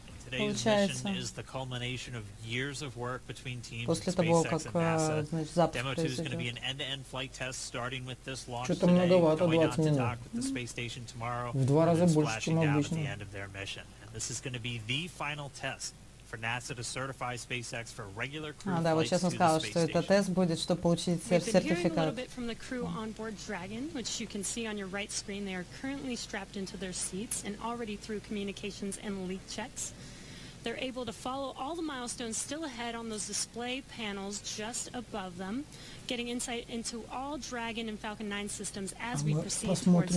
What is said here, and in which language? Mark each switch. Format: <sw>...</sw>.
<en>Today's mission is the culmination of years of work between teams of SpaceX and NASA. Demo-2 is going to be an end-to-end flight test starting with this launch today, going on to dock with the space station tomorrow, and splashing down at the end of their mission. And this is going to be the final test. NASA to certify SpaceX for regular crew flights.</en> <ru>Да, вот сейчас он сказал, что это тест будет, чтобы получить сертификат.</ru> <en>We've been hearing a little bit from the crew on board Dragon, which you can see on your right screen. They are currently strapped into their seats and already through communications and leak checks. They're able to follow all the milestones still ahead on those display panels just above them, getting insight into all Dragon and Falcon 9 systems as we proceed towards launch.</en>